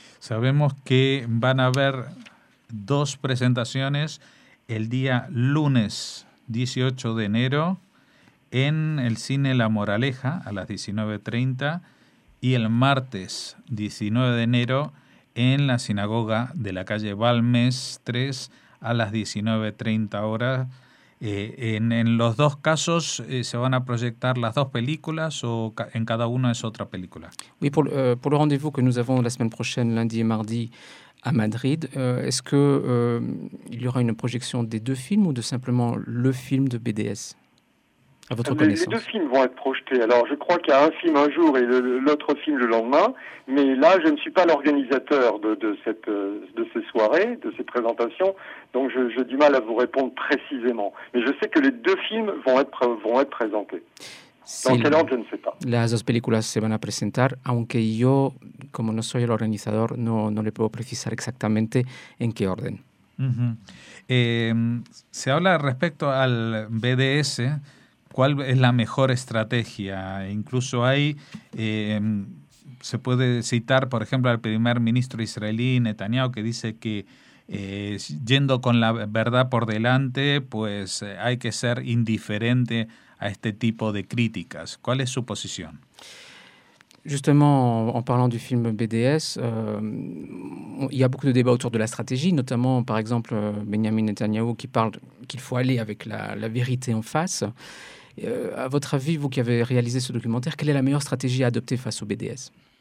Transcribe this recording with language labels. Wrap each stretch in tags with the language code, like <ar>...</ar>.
<es>Sabemos que van a haber dos presentaciones el día lunes 18 de enero en el cine La Moraleja a las 19:30 y el martes 19 de enero en la sinagoga de la calle Balmes 3 a las 19:30 horas. En los dos casos se van a proyectar las dos películas o en cada una es otra película.</es> <fr>Oui, pour le rendez-vous que nous avons la semaine prochaine, lundi et mardi, à Madrid, est-ce que il y aura une projection des deux films ou de simplement le film de BDS? À votre connaissance. Les deux films vont être projetés. Alors, je crois qu'il y a un film un jour et l'autre film le lendemain. Mais là, je ne suis pas l'organisateur de ces soirées, de ces présentations. Donc, j'ai du mal à vous répondre précisément. Mais je sais que les deux films vont être présentés. Dans quel ordre, je ne sais pas.</fr> <es>Las dos películas se van a presentar, aunque yo, como no soy el organizador, no le puedo precisar exactamente en qué orden. Uh-huh. Se habla respecto al BDS. ¿Cuál es la mejor estrategia? Incluso ahí se puede citar, por ejemplo, al primer ministro israelí Netanyahu, que dice que yendo con la verdad por delante, pues hay que ser indiferente a este tipo de críticas. ¿Cuál es su posición?</es> <fr>Justement, en parlant du film BDS, il y a beaucoup de débats autour de la stratégie, notamment, par exemple, Benjamin Netanyahu qui parle qu'il faut aller avec la vérité en face. À votre avis, vous qui avez réalisé ce documentaire, quelle est la meilleure stratégie à adopter face au BDS ?</fr>